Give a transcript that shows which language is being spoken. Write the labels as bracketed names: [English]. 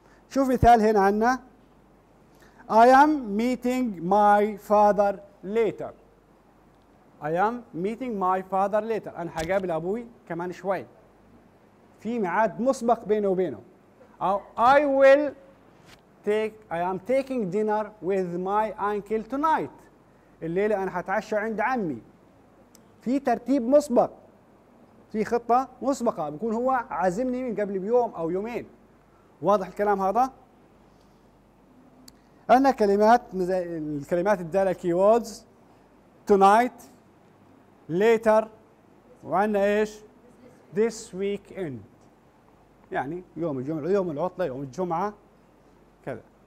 [Arabic] شوف مثال هنا عنا. [English] I am meeting my father later. I am meeting my father later. [Arabic] أنا حقابل أبوي كمان شوي. في ميعاد مسبق بينه وبينه. أو [English] I will take. I am taking dinner with my uncle tonight. [Arabic] الليلة أنا حتعشى عند عمي. في ترتيب مسبق. في خطة مسبقة. بيكون هو عازمني من قبل بيوم أو يومين. واضح الكلام هذا؟ أنا كلمات الكلمات الدالة [English] keywords tonight later [Arabic] وعنا إيش [English] this weekend، [Arabic] يعني يوم الجمعة، يوم العطلة، يوم الجمعة كذا.